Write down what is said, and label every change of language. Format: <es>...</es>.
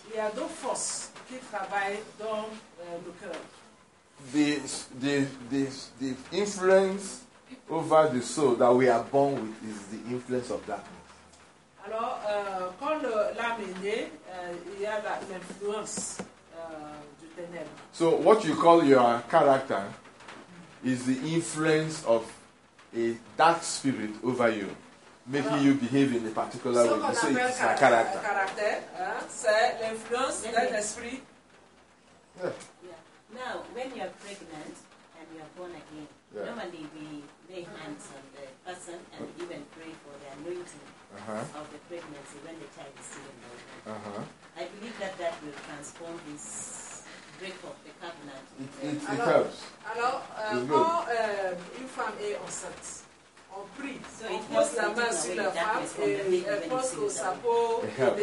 <fr>Il y a deux forces qui travaillent dans le cœur.</fr> <en>The influence over the soul that we are born with is the influence of darkness.</en> <fr>Alors, quand l'âme est née, il y a l'influence du ténèbre.</fr> <en>So what you call your character is the influence of a dark spirit over you, making you behave in a particular way. So it's a character.</en> <fr>Caractère, c'est l'influence d'un esprit.</fr> <en>Now, when you are pregnant and you are born again, normally we lay hands on the person and even pray for the anointing of the pregnancy when the child is still in the womb. I believe that that will transform this break of the covenant. It helps.</en> <fr>Alors, quand une femme est enceinte, on prie, so on pose la main sur la femme et elle pose au sapot et</fr>